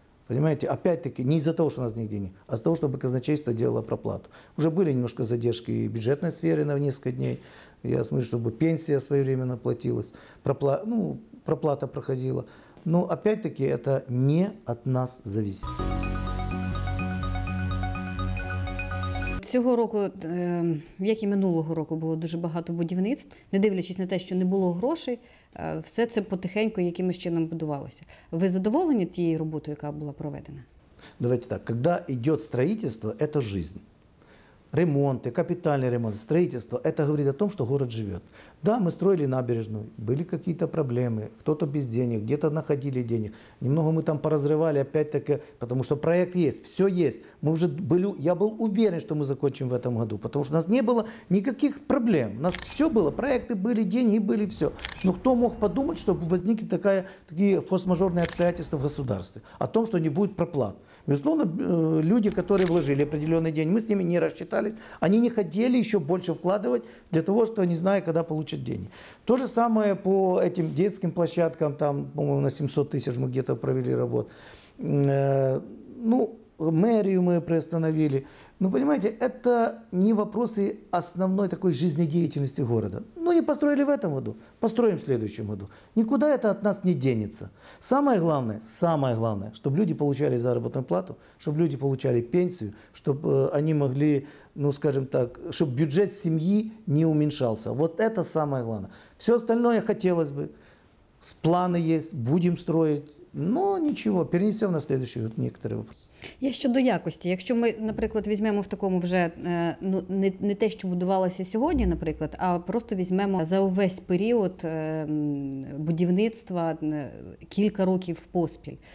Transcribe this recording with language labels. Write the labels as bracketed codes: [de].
[ru] Понимаете, опять-таки, не из-за того, что у нас нет денег, а из-за того, чтобы казначейство делало проплату. Уже были немножко задержки и в бюджетной сфере на несколько дней. Я смотрю, чтобы пенсия своевременно платилась, проплата проходила. Но опять-таки, это не от нас зависит. [uk] Цього року, як і минулого року, було дуже багато будівництв. Не дивлячись на те, що не було грошей, все це потихеньку якимось чином будувалося. Ви задоволені тією роботою, яка була проведена? Давайте так. Коли йде будівництво, це життя. Ремонти, капітальний ремонт, будівництво – це говорить про те, що місто живе. Да, ми будували набережну, були якісь проблеми, хтось без грошей, десь знаходили гроші. Немного ми там порозривали, опять-таки, тому що проєкт є, все є. Ми вже були, я був уверен, що ми закінчимо в цьому році, тому що у нас не було ніяких проблем. У нас все було, проєкти були, гроші були, все. Ну хто мог подумати, що виникне такі форс-мажорні обстоятельства в государстві, о том, що не буде проплат. [ru] Безусловно, люди, которые вложили определенный день, мы с ними не рассчитались, они не хотели еще больше вкладывать для того, что не зная, когда получат деньги. То же самое по этим детским площадкам, там, по-моему, на 700 тысяч мы где-то провели работу. Ну, мэрию мы приостановили. Ну, понимаете, это не вопросы основной такой жизнедеятельности города. Ну, не построили в этом году, построим в следующем году. Никуда это от нас не денется. Самое главное, чтобы люди получали заработную плату, чтобы люди получали пенсию, чтобы они могли, ну, скажем так, чтобы бюджет семьи не уменьшался. Вот это самое главное. Все остальное хотелось бы. Планы есть, будем строить. Но ничего, перенесем на следующий год некоторые вопросы. [uk] Я щодо якості. Якщо ми, наприклад, візьмемо в такому вже не те, що будувалося сьогодні, наприклад, а просто візьмемо за увесь період будівництва кілька років поспіль.